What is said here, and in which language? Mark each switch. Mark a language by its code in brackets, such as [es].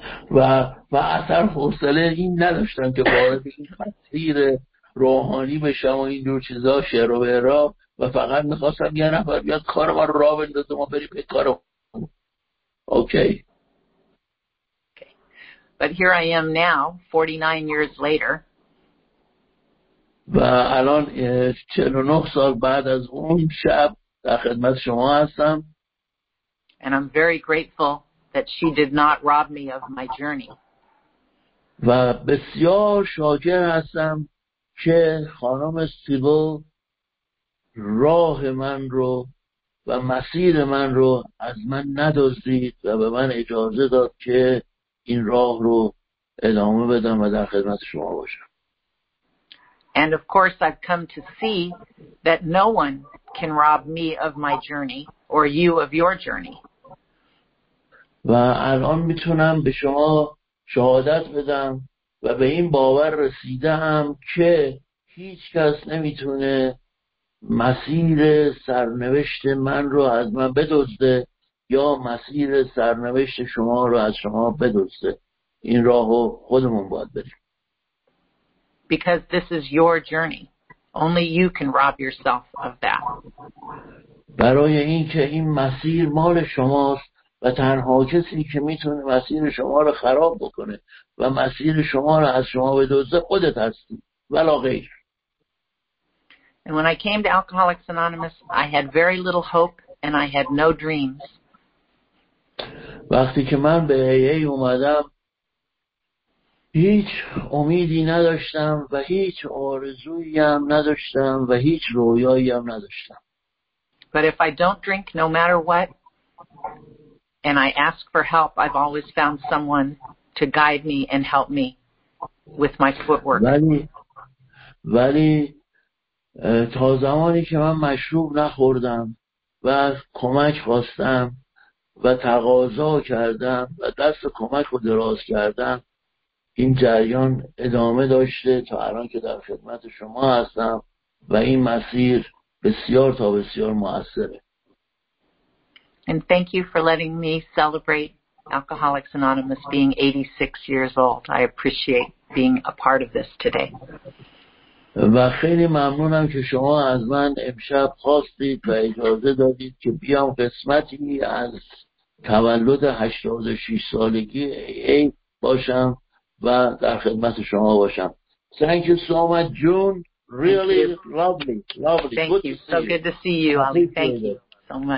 [fa] و اصلا حوصله این نداشتم که وارد این مسیر روحانی بشم و این دور چیزا شعر و برا و فقط میخواستم یه نفر بیاد کار ما را بندازه ما بریم به کار. اوکی. [en] But here I am now, 49 years later. [fa] و الان 49 سال بعد از اون شب در خدمت شما هستم. [en] And I'm very grateful that she did not rob me of my journey. [fa] و بسیار شاکر هستم که خانم سیبو راه من رو و مسیر من رو از من ندزدید و به من اجازه داد که این راه رو ادامه بدم و در خدمت شما باشم. [en] And of course I've come to see that no one can rob me of my journey or you of your journey. [fa] و الان میتونم به شما شهادت بدم و به این باور رسیدم که هیچ کس نمیتونه مسیر سرنوشت من رو از من بدزده یا مسیر سرنوشت شما رو از شما بدزده. این راهو خودمون باید بریم. [en] Because this is your journey. Only you can rob yourself of that. [fa] برای اینکه این مسیر مال شماست و تنها کسی که میتونه مسیر شما رو خراب بکنه و مسیر شما رو از شما بدزده خودت هستی. ولا غیر. [en] And when I came to Alcoholics Anonymous, I had very little hope and I had no dreams. [fa] وقتی که من به AA اومدم هیچ امیدی نداشتم و هیچ آرزویی هم نداشتم و هیچ رویایی هم نداشتم. [en] But if I don't drink no matter what and I ask for help, I've always found someone to guide me and help me with my footwork. [fa] ولی تا زمانی که من مشروب نخوردم و کمک خواستم و تقاضا کردم و دست کمک رو دراز کردم این جریان ادامه داشته تا الان که در خدمت شما هستم و این مسیر بسیار تا بسیار مؤثره. [en] And thank you for letting me celebrate Alcoholics Anonymous being 86 years old. I appreciate being a part of this today. [fa] و خیلی ممنونم که شما از من امشب خواستید و اجازه دادید که بیام قسمتی از تولد 86 سالگی AA باشم و در خدمت شما باشم. [en] Thank you so much, June. Really lovely. Thank you. So good to see you. Thank you so much.